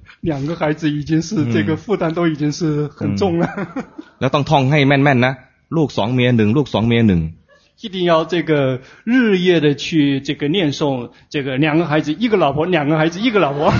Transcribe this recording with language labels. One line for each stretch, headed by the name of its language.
Chinese: 两个孩子已经是这个负担都已经是很重了
Thai: แล้วต้องท่องให้แม่นๆนะลูกสองเมียหนึ่งลูกสองเมียหนึ่ง
Chinese: 一定要这个日夜的去这个念诵，这个两个孩子一个老婆，两个孩子一个老婆。